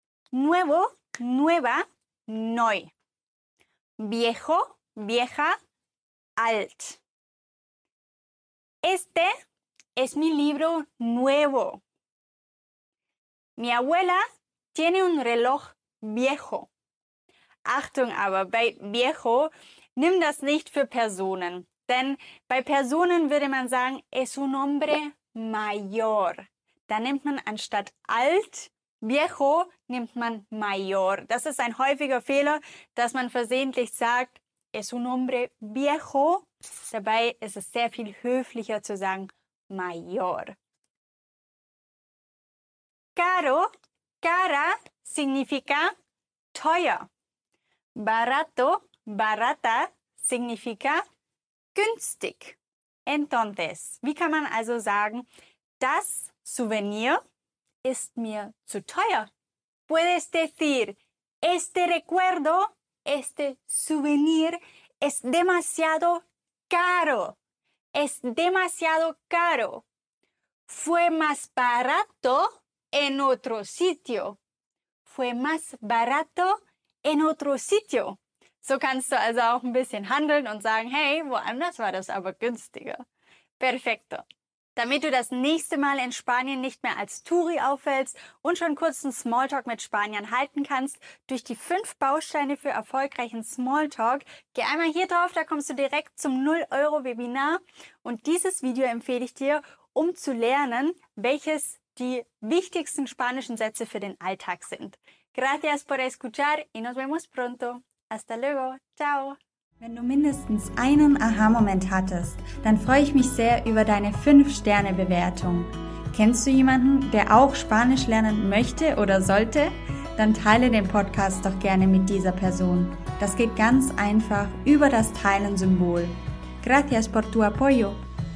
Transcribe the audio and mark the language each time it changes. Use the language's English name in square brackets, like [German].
[Spanish] Nuevo, nueva, noi. Viejo, vieja, alt. Este es mi libro nuevo. Mi abuela tiene un reloj viejo. [German] Achtung aber, bei viejo, nimm das nicht für Personen. Denn bei Personen würde man sagen, [Spanish] es un hombre mayor. [German] Da nimmt man anstatt alt viejo nimmt man mayor. Das ist ein häufiger Fehler, dass man versehentlich sagt, [Spanish] es un hombre viejo. [German] Dabei ist es sehr viel höflicher zu sagen mayor. [Spanish] Caro, cara, significa teuer. Barato, barata, significa günstig. [German] Entonces, wie kann man also sagen, das Souvenir ist mir zu teuer. [Spanish] Puedes decir, este recuerdo, este souvenir, es demasiado caro. Es demasiado caro. Fue más barato en otro sitio. Fue más barato en otro sitio. [German] So kannst du also auch ein bisschen handeln und sagen, hey, woanders war das aber günstiger. Perfecto. Damit du das nächste Mal in Spanien nicht mehr als Touri auffällst und schon kurz einen Smalltalk mit Spaniern halten kannst, durch die 5 Bausteine für erfolgreichen Smalltalk, geh einmal hier drauf, da kommst du direkt zum 0-Euro-Webinar. Und dieses Video empfehle ich dir, um zu lernen, welches die wichtigsten spanischen Sätze für den Alltag sind. [Spanish] Gracias por escuchar y nos vemos pronto. Hasta luego. Ciao. [German] Wenn du mindestens einen Aha-Moment hattest, dann freue ich mich sehr über deine 5-Sterne-Bewertung. Kennst du jemanden, der auch Spanisch lernen möchte oder sollte? dann teile den Podcast doch gerne mit dieser Person. Das geht ganz einfach über das Teilen-Symbol. [Spanish] Gracias por tu apoyo.